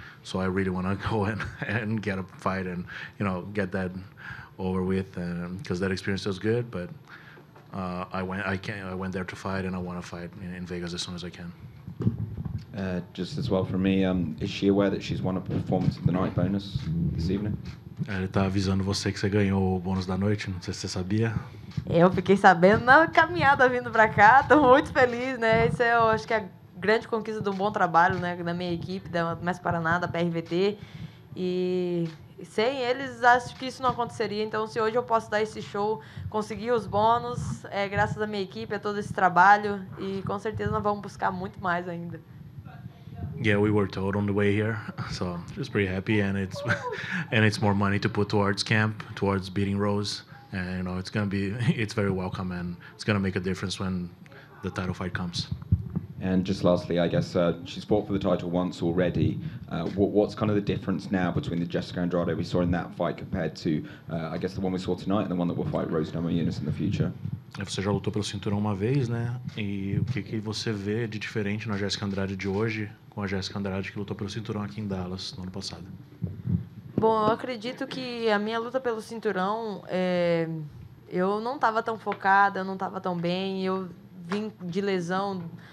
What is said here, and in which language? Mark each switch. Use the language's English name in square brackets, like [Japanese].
[English] So I really want to go and get a fight and, you know, get that over with, because that experience was good. But I went there to fight, and I want to fight in Vegas as soon as I can. Just as well for me, is she aware that she's won a performance of the night bonus this evening? [Portuguese] Ele tá avisando você que você ganhou o bônus da noite, não sei se você sabia. Eu fiquei sabendo na caminhada vindo pra cá, tô muito feliz, né? Isso é, eu acho que é a grande conquista de um bom trabalho, né? Da minha equipe, da Mais Paraná, da PRVT. E sem eles, acho que isso não aconteceria. Então, se hoje eu posso dar esse show, conseguir os bônus, é graças à minha equipe, a todo esse trabalho. E com certeza nós vamos buscar muito mais ainda. [English] Yeah, we were told on the way here, so just pretty happy, and it's and it's more money to put towards camp, towards beating Rose, and you know, it's gonna be, it's very welcome, and it's gonna make a difference when the title fight comes. And just lastly, I guess she's fought for the title once already. What's kind of the difference now between the Jessica Andrade we saw in that fight compared to, I guess, the one we saw tonight and the one that will fight Rose Namajunas in the future? [Portuguese] Você já lutou pelo cinturão uma vez, né? E o que que você vê de diferente na Jessica Andrade de hoje com a Jessica Andrade que lutou pelo cinturão aqui em Dallas no ano passado? Bom, eu acredito que a minha luta pelo cinturão, eu não estava tão focada, eu não estava tão bem, eu vim de lesão.